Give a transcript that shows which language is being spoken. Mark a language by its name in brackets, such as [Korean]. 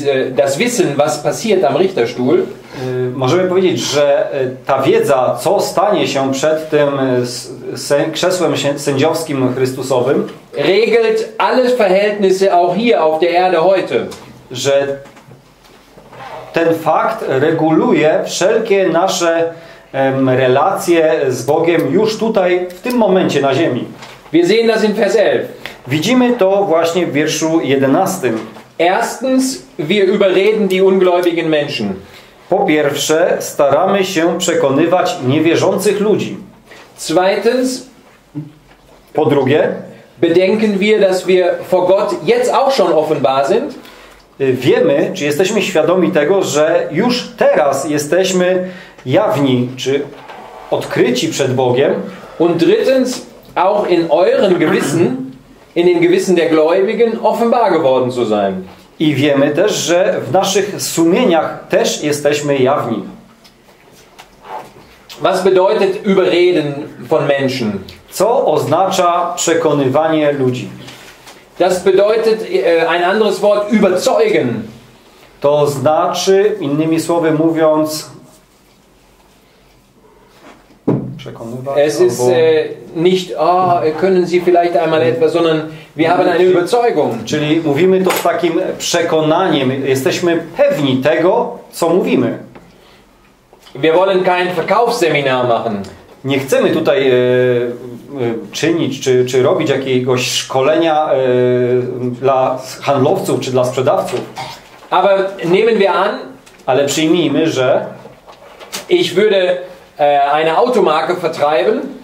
[German] das Wissen, was passiert am Richterstuhl. [Polish] Możemy powiedzieć, że ta wiedza, co stanie się przed tym krzesłem sędziowskim Chrystusowym, [German] regelt alle Verhältnisse auch hier auf der Erde heute. [Polish] Że ten fakt reguluje wszelkie nasze relacje z Bogiem już tutaj, w tym momencie na ziemi. [German] Wir sehen das in Vers 11. [Polish] Widzimy to właśnie w wierszu 11. [German] Erstens, wir überreden die ungläubigen Menschen. [Polish] Po pierwsze, staramy się przekonywać niewierzących ludzi. [German] Zweitens, [Polish] po drugie, [German] bedenken wir, dass wir vor Gott jetzt auch schon offenbar sind. [Polish] Wiemy, czy jesteśmy świadomi tego, że już teraz jesteśmy jawni, czy odkryci przed Bogiem. [German] Und drittens, auch in euren Gewissen, in den Gewissen der Gläubigen, offenbar geworden zu sein. [Polish] I wiemy też, że w naszych sumieniach też jesteśmy jawni. [German] Was bedeutet überreden von Menschen? [Polish] Co oznacza przekonywanie ludzi? [German] Das bedeutet ein anderes Wort überzeugen. [Polish] To znaczy, innymi słowy mówiąc, [German] es ist nicht, oh, können Sie vielleicht einmal etwas, sondern wir haben eine Überzeugung. [Polish] Czyli mówimy to z takim przekonaniem. Jesteśmy pewni tego, co mówimy. [German] Wir wollen kein Verkaufsseminar machen. [Polish] Nie chcemy tutaj czynić, czy robić jakiegoś szkolenia dla handlowców, czy dla sprzedawców. [German] Aber nehmen wir an, [Polish] ale przyjmijmy, że [German] ich würde eine Automarke vertreiben,